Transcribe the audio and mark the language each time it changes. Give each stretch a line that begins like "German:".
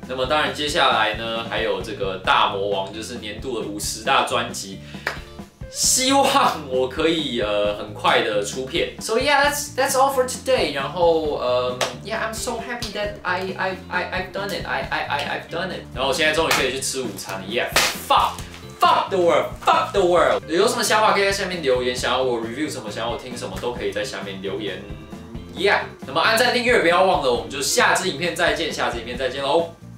Chinese: 那么当然，接下来呢，还有这个大魔王，就是年度的50大专辑。希望我可以很快的出片。
English: So yeah, that's all for today. 然后 yeah, I'm so happy that I've done it. I've done it.
Chinese: 然后我现在终于可以去吃午餐了。
English: Yeah, fuck. Fuck the world, fuck the world.
Chinese: 有什么想法可以在下面留言，想要我 review 什么，想要我听什么，都可以在下面留言。Yeah, 那么按赞订阅不要忘了，我们就下支影片再见，下支影片再见喽。